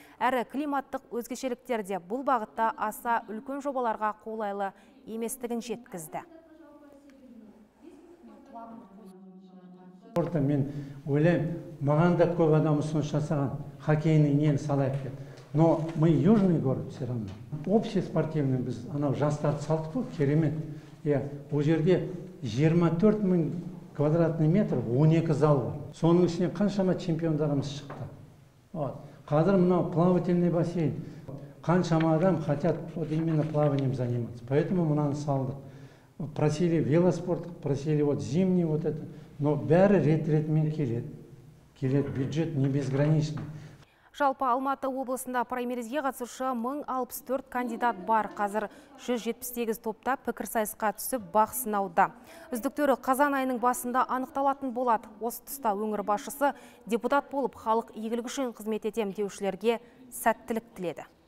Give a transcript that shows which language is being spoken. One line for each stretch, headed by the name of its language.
Kazakh: Әрі климаттық өзгешеліктерде бұл бағытта аса үлкен жобаларға қолайлы еместігін жеткізді. Спорта мен ойлайм, маған да көп адам ұсыныс жасаған хоккейнің нені салайық деп.
Russian: Но мы южный город все равно. Общий спортивный
Kazakh: біз анау жастарды салдық қой, керемет. Иә, ол жерде 24 000
Russian: квадратный метр
Kazakh: 12 зал бар. Соның ішінен қаншама чемпиондарымыз шықты.
Russian: Вот.
Kazakh: Қазір мынау
Russian: плавательный бассейн.
Kazakh: Қаншама адам
Russian: хотят вот именно плаванием заниматься. Поэтому
Kazakh: мынаны салдық.
Russian: Просили велоспорт, просили вот зимний вот это. Но
Kazakh: бәрі рет-ретмен келеді. Келеді,
Russian: бюджет не безграничный.
Kazakh: Жалпы Алматы облысында праймеризге қатысушы 1064 кандидат бар. Қазір 178 топта пікірсайысқа түсіп бақ сынауда. Үздіктері қазан айының басында анықталатын болады. Осы тұста өңір басшысы депутат болып халық игілігі үшін қызмет етем деушілерге сәттілік тіледі.